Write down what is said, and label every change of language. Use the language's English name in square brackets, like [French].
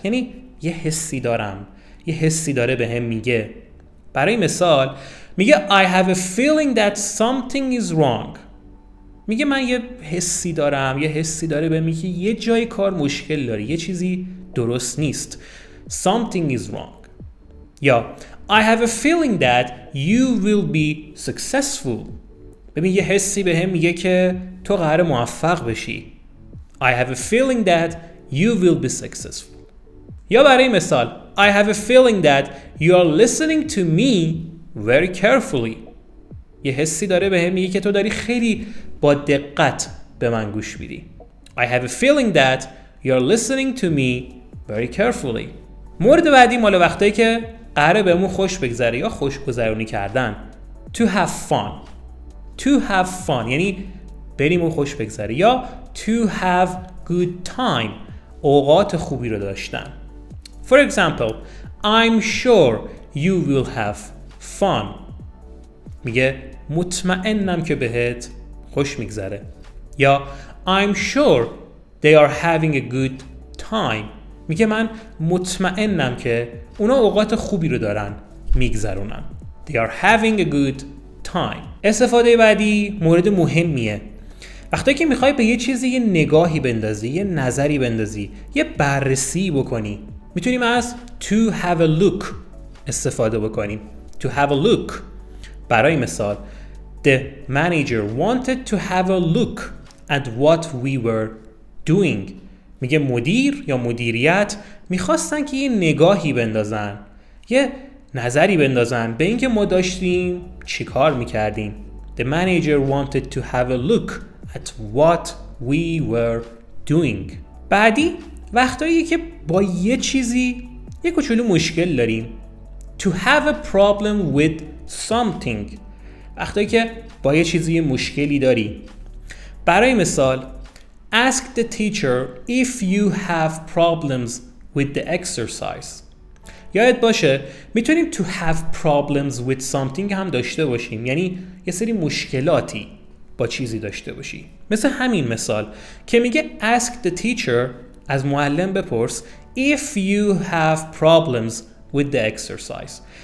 [Persian] یعنی یه حسی دارم. یه حسی داره به هم میگه. برای مثال میگه [English] I have a feeling that something is wrong. [Persian] میگه من یه حسی دارم. یه حسی داره به میگه یه جای کار مشکل داره. یه چیزی درست نیست. [English] Something is wrong. یا I have a feeling that you will be successful. [Persian] ببین یه حسی به هم میگه که تو قراره موفق بشی. [English] I have a feeling that you will be successful. [Persian] یا برای مثال [English] I have a feeling that you are listening to me very carefully. [Persian] یه حسی داره به هم میگه که تو داری خیلی با دقت به من گوش میدی. [English] I have a feeling that you are listening to me very carefully. [Persian] مورد بعدی مال وقتی که قراره بهمون خوش بگذره یا خوش گذرونی کردن. [English] To have fun. To have fun [Persian] یعنی بریم و خوش بگذره. یا [English] To have good time. [Persian] اوقات خوبی رو داشتن. [English] For example, I'm sure you will have fun. [Persian] میگه مطمئنم که بهت خوش میگذره. [English] یا I'm sure they are having a good time. [Persian] میگه من مطمئنم که اونا اوقات خوبی رو دارن میگذرونن. [English] They are having a good time. [Persian] استفاده بعدی مورد مهمیه. وقتی که میخوای به یه چیزی یه نگاهی بندازی، یه نظری بندازی، یه بررسی بکنی، میتونیم از [English] to have a look [Persian] استفاده بکنیم. [English] To have a look. [Persian] برای مثال [English] The manager wanted to have a look at what we were doing. [Persian] میگه مدیر یا مدیریت میخواستن که یه نگاهی بندازن، یه نظری بندازن به اینکه ما داشتیم چی کار میکردیم. [English] The manager wanted to have a look at what we were doing. [Persian] بعدی وقتایی که با یه چیزی یه کوچولو مشکل داریم. [English] To have a problem with something. [Persian] وقتایی که با یه چیزی مشکلی داری. برای مثال [English] Ask the teacher if you have problems with the exercise. [Persian] یاد باشه میتونیم [English] to have problems with something [Persian] هم داشته باشیم، یعنی یه سری مشکلاتی با چیزی داشته باشی. مثل همین مثال که میگه [English] Ask the teacher، [Persian] از معلم بپرس [English] If you have problems with the exercise.